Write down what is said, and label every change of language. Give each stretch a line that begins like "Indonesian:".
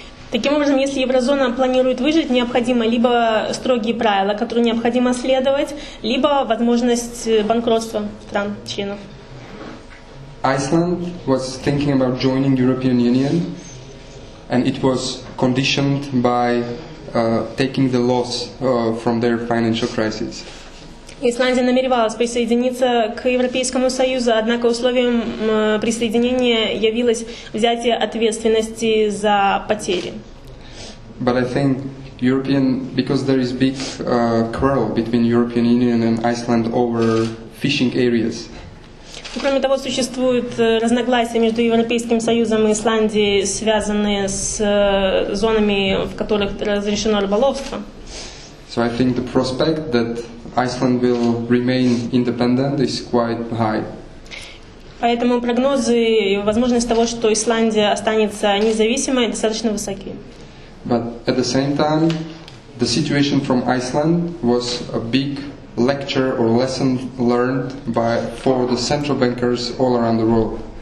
Russian: Таким образом, если еврозона планирует выжить, необходимо либо строгие правила, которые необходимо следовать, либо возможность банкротства стран-членов.
English: Iceland was thinking about joining European Union, and it was conditioned by taking the loss from their financial crisis.
Russian: Исландия намеревалась присоединиться к Европейскому Союзу, однако условием присоединения явилось взятие ответственности за потери.
English: But I think European, because there is big quarrel between European Union and Iceland over fishing areas.
Russian: Кроме того, существуют разногласия между Европейским Союзом и Исландией, связанные с зонами, в которых разрешено рыболовство.
English: So I think the prospect that Iceland will remain independent is quite high.
Russian: Поэтому прогнозы и возможность того, что Исландия останется независимой, достаточно высоки.
English: But at the same time, the situation from Iceland was a big lecture or lesson learned for the central bankers all around the world.